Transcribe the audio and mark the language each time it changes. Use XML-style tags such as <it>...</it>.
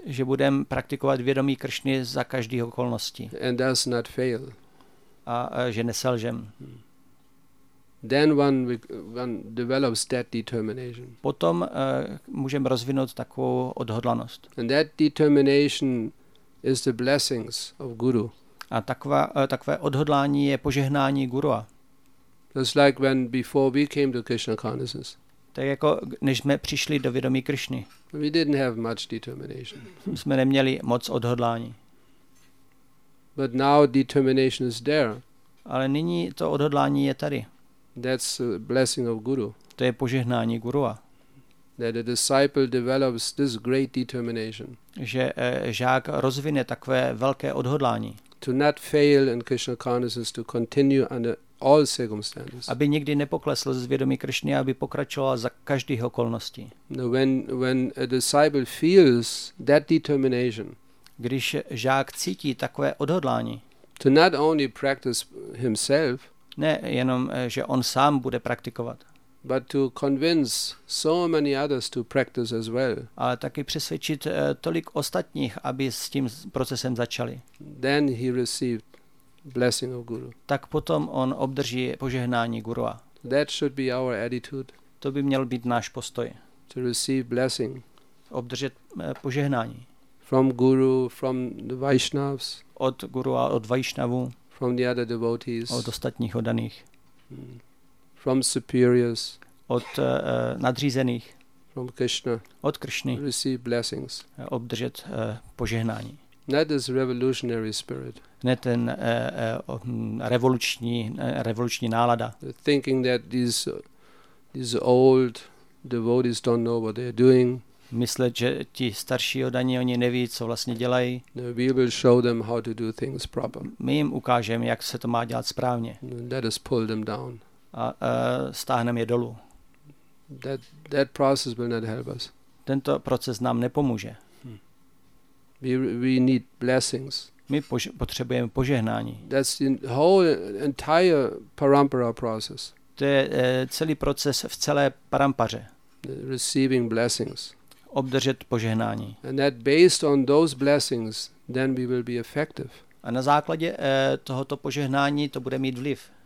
<cs>Že budem praktikovat vědomí Kršny za každý okolnosti.</cs> <en>And does not fail.</en> <cs>A že neselžem.</cs> <en>Then one develops that determination.</en> <cs>Potom můžeme rozvinout takovou odhodlanost.</cs> <en>And that determination is the blessings of guru.</en> <cs>A takové odhodlání je požehnání gurua.</cs> <en>Just like when before we came to Krishna consciousness.</en> <cs>Tak jako než jsme přišli do vědomí Kršny.</cs> <en>We didn't have much determination.</en> <cs>Jsme neměli moc odhodlání.</cs> <en>But now determination is there.</en> <cs>Ale nyní to odhodlání je tady.</cs> <en>That's a blessing of guru.</en> <cs>To je požehnání gurua.</cs> <en>That a disciple develops this great determination.</en> <cs>Že žák rozvine takové velké odhodlání.</cs> <en>To not fail in Krishna consciousness, to continue under all circumstances.</en> <cs>Aby nikdy nepoklesl z vědomí Kršny, aby pokračoval za každých okolností.</cs> <en>No, when a disciple feels that determination.</en> <cs>Když žák cítí takové odhodlání.</cs> <en>To not only practice himself.</en> <cs>Ne, jenom že on sám bude praktikovat.</cs> <en>But to convince so many others to practice as well.</en> <cs>Ale taky přesvědčit tolik ostatních, aby s tím procesem začali.</cs> <en>Then he received blessing of guru.</en> <cs>Tak potom on obdrží požehnání gurua.</cs> <en>That should be our attitude.</en> <cs>To by měl být náš postoj.</cs> <en>To receive blessing.</en> <cs>Obdržet požehnání.</cs> <en>From guru, from the Vaishnavs.</en> <cs>Od gurua, od Vaishnavů.</cs> <en>From the other devotees.</en> <cs>Od ostatních oddaných.</cs> <en>From superiors.</en> <cs>Od nadřízených.</cs> <en>From Krishna.</en> <cs>Od Kršny.</cs> <en>Receive blessings.</en> <cs>Obdržet požehnání.</cs> <en>Not this revolutionary spirit.</en> <cs>Ne ten revoluční nálada.</cs> <en>Thinking that these old devotees don't know what they're doing.</en> <cs>Myslet, že ti starší oddaní, oni neví, co vlastně dělají.</cs> <en>We will show them how to do things proper.</en> <cs>My jim ukážeme, jak se to má dělat správně.</cs> <en>Let us pull them down.</en> <cs>A stáhneme je dolů.</cs> <en>That process will not help us.</en> <cs>Tento proces nám nepomůže.</cs> <en>We need blessings.</en> <cs>My potřebujeme požehnání.</cs> <en>That's the whole entire parampara process.</en> <cs>To je celý proces v celé parampaře.</cs> <en>Receiving blessings.</en> <cs>Obdržet požehnání.</cs> <en>And that based on those blessings, then we will be effective.</en> <cs>A na základě tohoto požehnání to bude mít vliv.</cs>